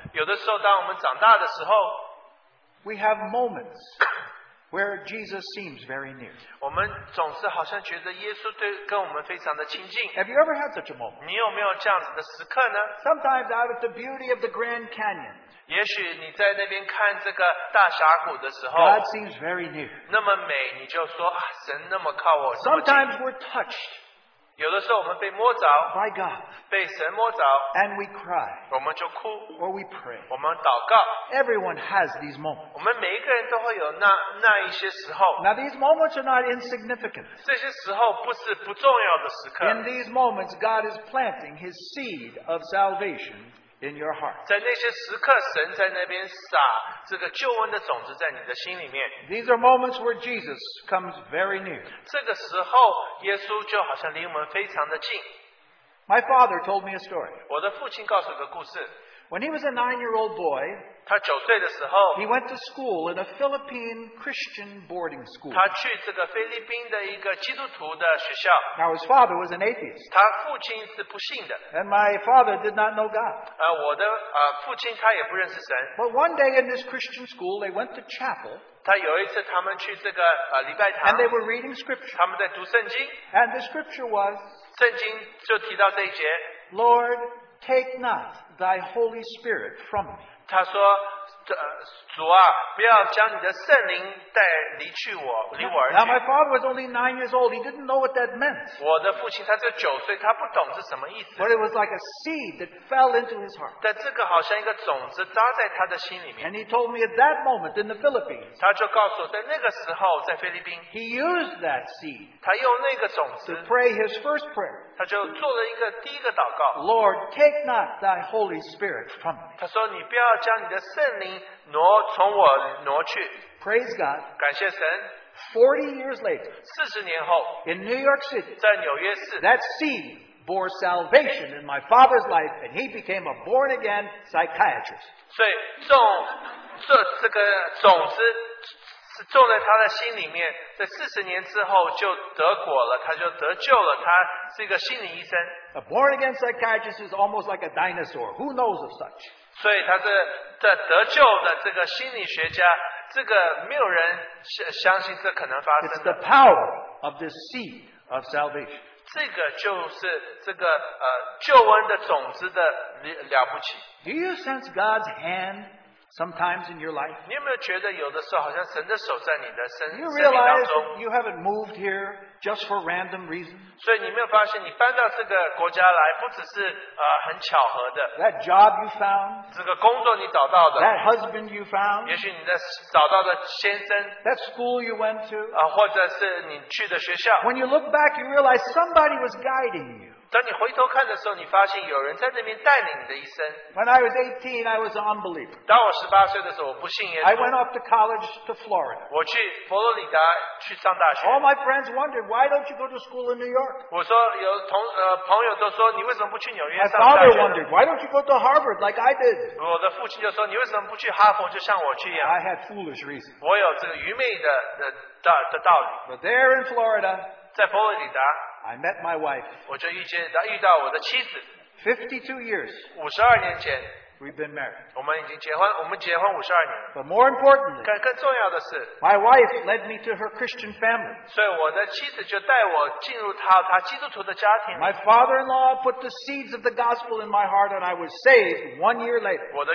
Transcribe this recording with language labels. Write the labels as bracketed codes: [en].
[zh] 有的时候当我们长大的时候, [en] we have moments where Jesus seems very near. [zh] 我们总是好像觉得耶稣跟我们非常的亲近。 [en] Have you ever had such a moment? [zh] 你有没有这样子的时刻呢? [en] Sometimes out of the beauty of the Grand Canyon, [zh] 也许你在那边看这个大峡谷的时候, [en] God seems very near. [zh] 那么美，你就说神那么靠我。 [en] Sometimes we're touched. [zh] 有的时候我们被摸着, [en] by God, [zh] 被神摸着, [en] and we cry, [zh] 我们就哭, [en] or we pray, [zh] 我们祷告, [en] everyone has these moments. [zh] 我们每一个人都会有那一些时候, [en] now these moments are not insignificant. [zh] 这些时候不是不重要的时刻, [en] in these moments, God is planting His seed of salvation in your heart. [zh] 在那些时刻, 神在那边撒这个救恩的种子在你的心里面。 [en] These are moments where Jesus comes very near. [zh] 这个时候, 耶稣就好像离我们非常的近。 [en] My father told me a story. [zh] 我的父亲告诉个故事。 [en] When he was a 9-year-old boy, [zh] 他9岁的时候, [en] he went to school in a Philippine Christian boarding school. [zh] 他去这个菲律宾的一个基督徒的学校. [en] Now his father was an atheist. [zh] 他父亲是不信的. [en] And my father did not know God. [zh] 我的父亲他也不认识神. [en] But one day in this Christian school, they went to chapel. [zh] 他有一次他们去这个, 礼拜堂, [en] and they were reading scripture. [zh] 他们在读圣经. [en] And the scripture was, [zh] 圣经就提到这一节, [en] Lord, take not thy Holy Spirit from me. [zh] 他说, 主啊, 不要将你的圣灵带离去我, 离我而去。 [en] Now my father was only 9 years old. He didn't know what that meant. [zh] 我的父亲他只有9岁, 他不懂是什么意思。 [en] But it was like a seed that fell into his heart. [zh] 但这个好像一个种子扎在他的心里面。 [en] And he told me at that moment in the Philippines, [zh] 他就告诉我, 在那个时候, 在菲律宾, [en] he used that seed, [zh] 他用那个种子, [en] to pray his first prayer. [zh] 他就做了一个第一个祷告, [en] Lord, take not thy Holy Spirit from me. [zh] 他说你不要将你的圣灵挪去。 [en] Praise God. [zh] 感谢神, [en] 40 years later, [zh] 40年后, [en] in New York City, [zh] 在纽约市, [en] that seed bore salvation in my father's life, and he became a born-again psychiatrist. [zh] 所以这个种子, 种在他的心里面, 在40年之后就得果了, 他就得救了, 他是一个心理医生。 [en] A born-again psychiatrist is almost like a dinosaur. Who knows of such? [zh] 所以他是得救的这个心理学家, 这个没有人相信这可能发生的。 [en] It's the power of the seed of salvation. [zh] 这个就是这个, 救恩的种子的了不起。 [en] Do you sense God's hand sometimes in your life? [zh] 你有没有觉得有的时候好像神的手在你的身, [en] you realize you haven't moved here just for random reasons? [zh] 所以你没有发现你搬到这个国家来不只是, 很巧合的, [en] that job you found, [zh] 这个工作你找到的, [en] that husband you found, [zh] 也许你找到的先生, [en] that school you went to, [zh] 或者是你去的学校, [en] when you look back you realize somebody was guiding you. [zh] 当你回头看的时候,你发现有人在那边带领你的一生。 [en] When I was 18, I was an unbeliever. [zh] 当我18岁的时候,我不信耶稣。 [en] I went off to college to Florida. [zh] 我去佛罗里达去上大学。 [en] All my friends wondered, why don't you go to school in New York? [zh] 我说,朋友都说,你为什么不去纽约上大学? [en] My father wondered, why don't you go to Harvard like I did? [zh] 我的父亲就说,你为什么不去哈佛就像我去一样? [en] I had foolish reasons. [zh] 我有这个愚昧的道理。 [en] But there in Florida, [zh] 在佛罗里达, [en] I met my wife. [zh] 我就遇到我的妻子, [en] 52 years. [zh] 52年前, [en] we've been married. [zh] 我们已经结婚52年。 [en] But more importantly, [zh] 更重要的是, [en] my wife led me to her Christian family. [zh] 所以我的妻子就带我进入她基督徒的家庭。 [en] My father-in-law put the seeds of the gospel in my heart and I was saved 1 year later.